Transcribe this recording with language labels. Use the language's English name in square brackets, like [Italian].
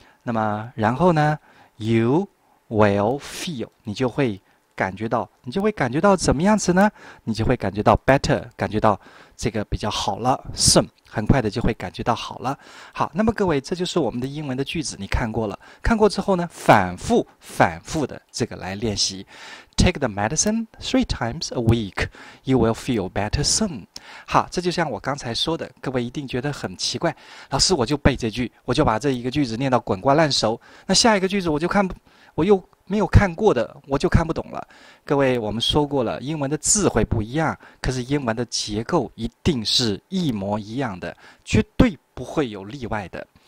[Chinese] 那么然后呢 [English] you will feel， [Chinese] 你就会感觉到怎么样子呢？你就会感觉到 better， 感觉到这个比较好了 soon。很快的就会感觉到好了。好，那么各位，这就是我们的英文的句子，你看过了，看过之后呢，反复的这个来练习。 [English] Take the medicine 3 times a week, you will feel better soon. [Chinese] 好，这就像我刚才说的，各位一定觉得很奇怪，老师我就背这句，我就把这一个句子念到滚瓜烂熟，那下一个句子我又没有看过的，我就看不懂了。各位，我们说过了，英文的字会不一样，可是英文的结构一定是一模一样的，绝对不会有例外的。